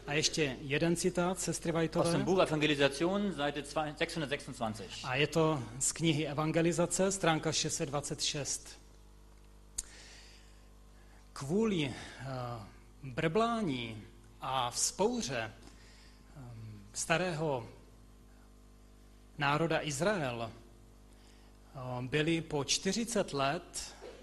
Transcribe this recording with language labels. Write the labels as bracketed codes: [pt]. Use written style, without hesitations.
[cs] A ještě jeden citát sestry Whiteové. [de] Aus dem Buch Evangelisation, Seite 626. [cs] A je to z knihy Evangelizace, stránka 626. Kvůli brblání a vzpouře starého národa Izrael byli po 40 let